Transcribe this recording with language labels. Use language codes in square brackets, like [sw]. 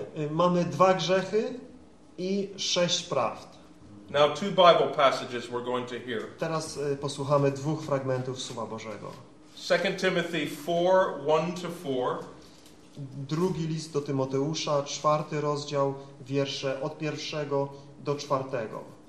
[pl] Mamy dwa grzechy i sześć prawd. [en] Now two Bible passages we're going to hear. [pl] Teraz posłuchamy dwóch fragmentów Słowa Bożego. [en] 2 Timothy 4, 1 to 4. [pl] Drugi list do Tymoteusza, czwarty rozdział, wiersze od pierwszego do czwartego.